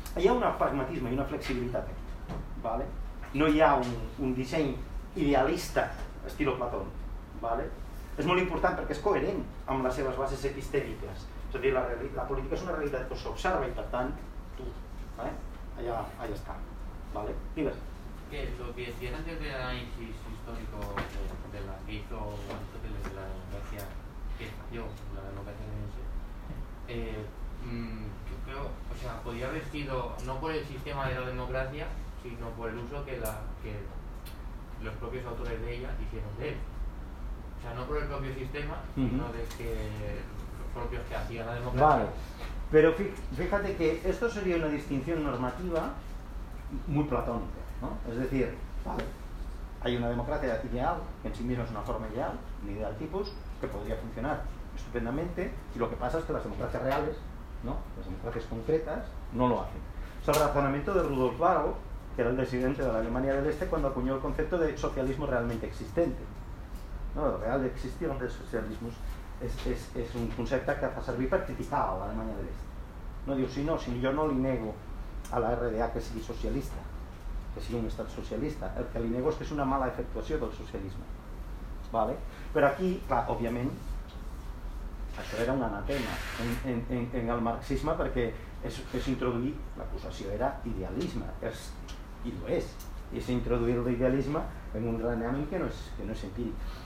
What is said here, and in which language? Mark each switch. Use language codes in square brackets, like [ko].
[ca] Hi ha un pragmatisme i una flexibilitat aquí. Vale? No hi ha un disseny idealista, estil Plató. Vale? És molt important perquè és coherent amb les seves bases epistèmiques. És a dir, la política és una realitat que s'observa i per tant, tu, vale? Allà està. Vale? Digues. [es] Que lo que decían antes del análisis histórico de la que hizo Aristóteles de la democracia que falló, la democracia de ese, yo creo, o sea, podría haber sido no por el sistema de la democracia, sino por el uso que los propios autores de ella hicieron de él. O sea, no por el propio sistema, sino de que los propios que hacía la democracia. Vale. Pero fíjate que esto sería una distinción normativa muy platónica, ¿no? Es decir, vale, hay una democracia ideal, que en sí misma es una forma ideal, un ideal tipus, que podría funcionar estupendamente, y lo que pasa es que las democracias reales, ¿no? Las democracias concretas, no lo hacen. Es el razonamiento de Rudolf Barrow, que era el disidente de la Alemania del Este, cuando acuñó el concepto de socialismo realmente existente, ¿no? El real de existir, donde el socialismo es un concepto que hace servir para criticar a la Alemania del Este. No digo, si yo no le niego a la RDA [ca] que sigui socialista, que sigui un estat socialista, el que li nego és que és una mala efectuació del socialisme. Vale? Però aquí, clar, òbviament, això era un anatema en el marxisme, perquè és introduir, l'acusació era idealisme, és, i ho és, i és introduir l'idealisme en un raonament que no és empíric.